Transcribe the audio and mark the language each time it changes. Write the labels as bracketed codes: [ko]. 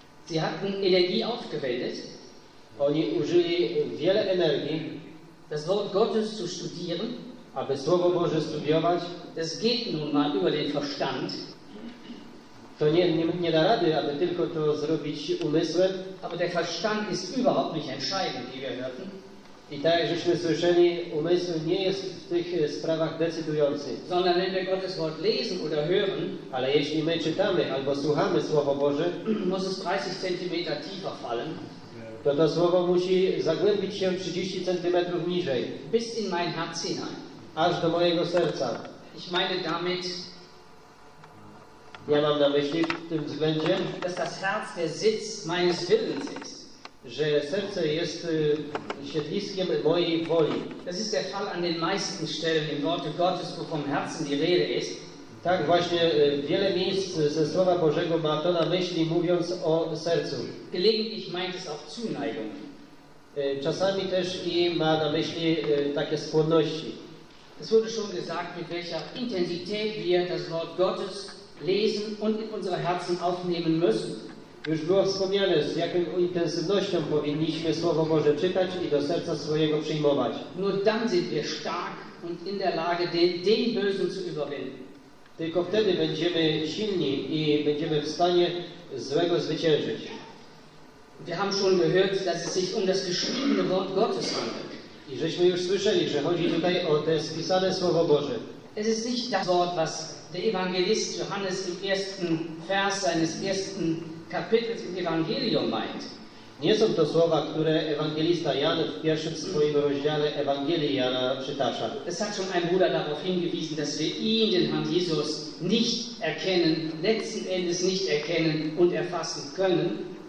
[de] Sie hatten Energie aufgewendet. [pl] Oni użyli wiele energii, [de] das Wort Gottes zu studieren, [pl] aby Słowo Boże studiować. [de] Das geht nun mal über den Verstand. [pl] To nie da rady, aby tylko to zrobić umysłem. [de] Aber der Verstand ist überhaupt nicht entscheidend, wie wir hörten. [pl] I tak jak żeśmy słyszeli, umysł nie jest w tych sprawach decydujący. [de] Sondern wenn wir Gottes Wort lesen oder hören, [pl] ale jeśli my czytamy albo słuchamy Słowo Boże, [de] muss es 30 cm tiefer fallen, [pl] to Słowo musi zagłębić się 30 cm niżej. [de] Bis in mein Herz hinein. [pl] Aż do mojego serca. [de] Ich meine damit, [pl] ja mam na myśli w tym względzie, [de] dass das Herz der Sitz meines Willens ist. [pl] Że serce jest siedliskiem mojej woli. [de] Das ist der Fall an den meisten Stellen im Wort Gottes, wo vom Herzen die Rede ist. [pl] Tak właśnie wiele miejsc ze Słowa Bożego ma to na myśli, mówiąc o sercu. [de] Gelegentlich meint es auch Zuneigung. [pl] Czasami też i ma na myśli takie skłonności. [de] Es wurde schon gesagt, mit welcher Intensität wir das Wort Gottes lesen und in unsere Herzen aufnehmen müssen. [pl] Już było wspomniane, z jaką intensywnością powinniśmy Słowo Boże czytać i do serca swojego przyjmować. [de] Nur dann sind wir stark und in der Lage, den Bösen zu überwinden. [pl] Tylko wtedy będziemy silni i będziemy w stanie złego zwyciężyć. [de] Wir haben schon gehört, dass es sich um das geschriebene Wort Gottes handelt. [pl] I żeśmy już słyszeli, że chodzi tutaj o te spisane Słowo Boże. [de] Es ist nicht das Wort, was der Evangelist Johannes im ersten Vers seines ersten Kapitel im Evangelium meint. [pl] Nie są to słowa, które Ewangelista Jan w pierwszym swoim rozdziale Ewangelii Jana przytacza. [de] Es hat schon ein Bruder darauf hingewiesen, dass wir ihn, den Herrn Jesus, nicht erkennen, letzten Endes nicht erkennen und erfassen können.